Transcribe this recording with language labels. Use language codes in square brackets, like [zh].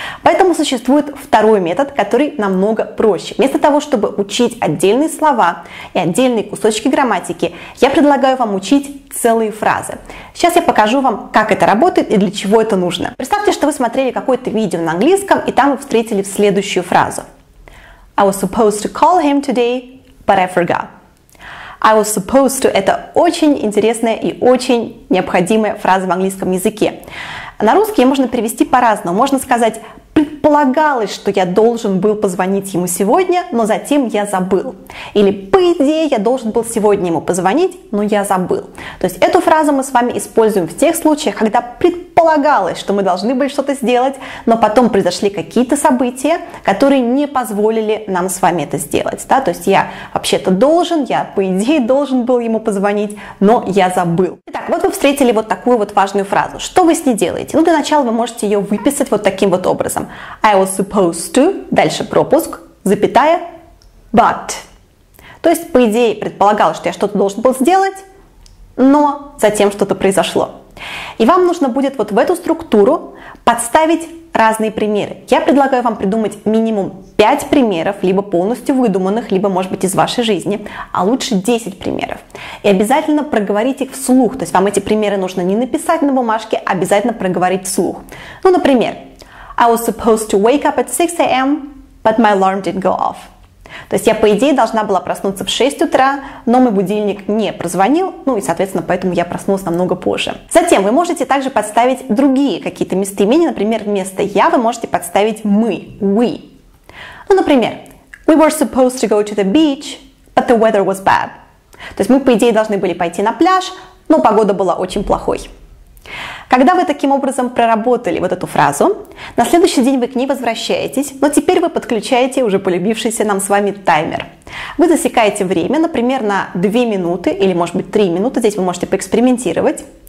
[ru] Поэтому существует второй метод, который намного проще. Вместо того, чтобы учить отдельные слова и отдельные кусочки грамматики, я предлагаю вам учить целые фразы. Сейчас я покажу вам, как это работает и для чего это нужно. Представьте, что вы смотрели какое-то видео на английском, и там вы встретили следующую фразу. [en] I was supposed to call him today, but I forgot. [ru] I was supposed to – это очень интересная и очень необходимая фраза в английском языке. На русский ее можно перевести по-разному. Можно сказать «Предполагалось, что я должен был позвонить ему сегодня, но затем я забыл». Или «По идее, я должен был сегодня ему позвонить, но я забыл». То есть эту фразу мы с вами используем в тех случаях, когда предполагалось, что мы должны были что-то сделать, но потом произошли какие-то события, которые не позволили нам с вами это сделать. Да? То есть я вообще-то должен, я по идее должен был ему позвонить, но я забыл. Итак, вот вы встретили вот такую вот важную фразу. Что вы с ней делаете? Ну, для начала вы можете ее выписать вот таким вот образом. [en] I was supposed to, дальше пропуск, запятая, but. [ru] То есть, по идее, предполагал, что я что-то должен был сделать, но затем что-то произошло. И вам нужно будет вот в эту структуру подставить разные примеры. Я предлагаю вам придумать минимум 5 примеров, либо полностью выдуманных, либо, может быть, из вашей жизни, а лучше 10 примеров. И обязательно проговорить их вслух. То есть, вам эти примеры нужно не написать на бумажке, а обязательно проговорить вслух. Ну, например, [en] I was supposed to wake up at 6 a.m., but my alarm didn't go off. [ru] То есть я, по идее, должна была проснуться в 6 утра, но мой будильник не прозвонил, ну и, соответственно, поэтому я проснулась намного позже. Затем вы можете также подставить другие какие-то местоимения, например, вместо «я» вы можете подставить «мы», «we». [en] Ну, например, «We were supposed to go to the beach, but the weather was bad». [ru] То есть мы, по идее, должны были пойти на пляж, но погода была очень плохой. Когда вы таким образом проработали вот эту фразу, на следующий день вы к ней возвращаетесь, но теперь вы подключаете уже полюбившийся нам с вами таймер. Вы засекаете время, например, на 2 минуты или, может быть, 3 минуты, здесь вы можете поэкспериментировать.